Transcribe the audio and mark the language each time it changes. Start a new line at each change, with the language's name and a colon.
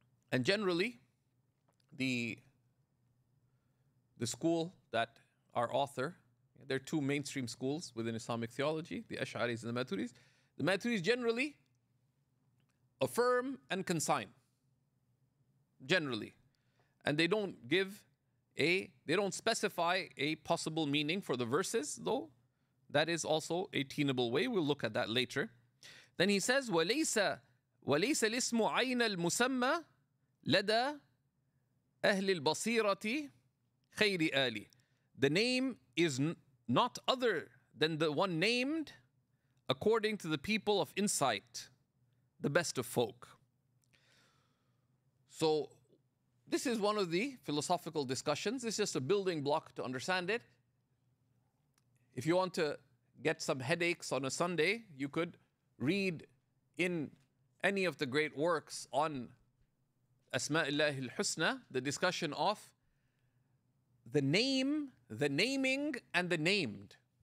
English: And generally, the school that our author, there are two mainstream schools within Islamic theology, the Ash'aris and the Maturis. The Maturis generally affirm and consign. Generally. And they don't give a, they don't specify a possible meaning for the verses, though. That is also a tenable way. We'll look at that later. Then he says,
Arabic: وَلَيْسَ الْإِسْمُ عَيْنَ الْمُسَمَّى لَدَى أَهْلِ الْبَصِيرَةِ خَيْرِ آلِ.
English: The name is not other than the one named according to the people of insight, the best of folk. So this is one of the philosophical discussions. It's just a building block to understand it. If you want to get some headaches on a Sunday, you could read in any of the great works on Asma'illah al-Husna, the discussion of the name, the naming, and the named.